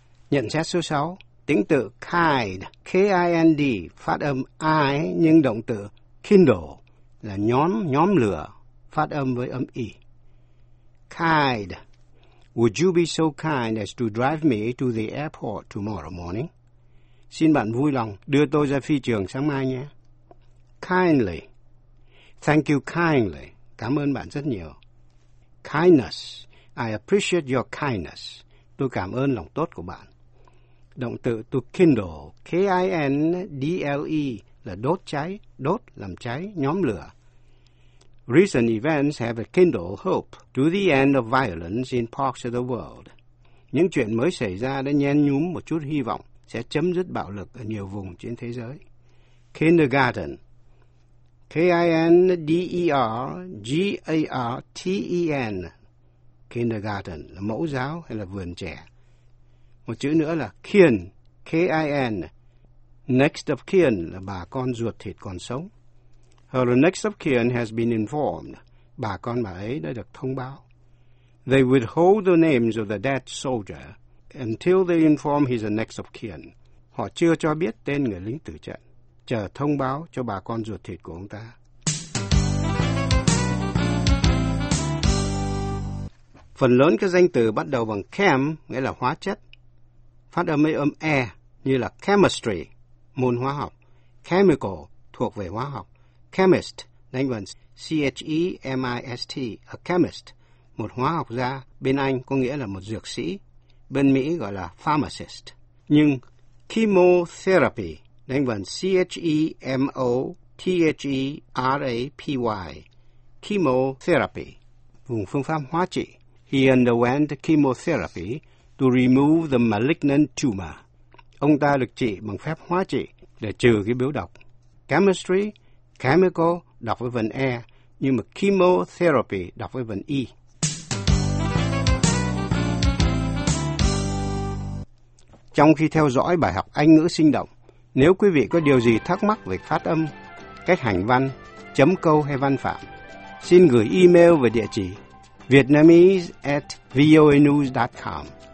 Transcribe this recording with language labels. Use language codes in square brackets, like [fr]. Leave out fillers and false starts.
[vi] Nhận xét số 6. Tính từ kind, K-I-N-D, phát âm I, nhưng động từ kindle, là nhóm, nhóm lửa, phát âm với âm I. [en] Kind, would you be so kind as to drive me to the airport tomorrow morning? [vi] Xin bạn vui lòng đưa tôi ra phi trường sáng mai nhé. Kindly, [en] thank you kindly, [vi] cảm ơn bạn rất nhiều. Kindness, [en] I appreciate your kindness, [vi] tôi cảm ơn lòng tốt của bạn. Động từ to kindle, K-I-N-D-L-E, là đốt cháy, đốt, làm cháy, nhóm lửa. [en] Recent events have kindled hope to the end of violence in parts of the world. [vi] Những chuyện mới xảy ra đã nhen nhúm một chút hy vọng sẽ chấm dứt bạo lực ở nhiều vùng trên thế giới. Kindergarten, K-I-N-D-E-R-G-A-R-T-E-N, kindergarten, là mẫu giáo hay là vườn trẻ. Một chữ nữa là kin, K-I-N. Next of kin là bà con ruột thịt còn sống. [en] Her next of kin has been informed. [vi] Bà con bà ấy đã được thông báo. [en] They withhold the names of the dead soldier until they inform his next of kin. [vi] Họ chưa cho biết tên người lính tử trận, chờ thông báo cho bà con ruột thịt của ông ta. Phần lớn các danh từ bắt đầu bằng chem, nghĩa là hóa chất. Phát âm mấy âm E như là chemistry, môn hóa học, chemical, thuộc về hóa học, chemist, đánh vần C-H-E-M-I-S-T, a chemist, một hóa học gia, bên Anh có nghĩa là một dược sĩ, bên Mỹ gọi là pharmacist. Nhưng chemotherapy, đánh vần C-H-E-M-O-T-H-E-R-A-P-Y, chemotherapy, vùng phương pháp hóa trị. [en] He underwent chemotherapy to remove the malignant tumor. [vi] Ông ta được trị bằng phép hóa trị để trừ cái biếu độc. Chemistry, chemical, đọc với vần E, nhưng mà chemotherapy đọc với vần I. Trong khi theo dõi bài học Anh ngữ sinh động, Nếu quý vị có điều gì thắc mắc về phát âm, cách hành văn, chấm câu hay văn phạm, xin gửi email về địa chỉ vietnamese@voanews.com.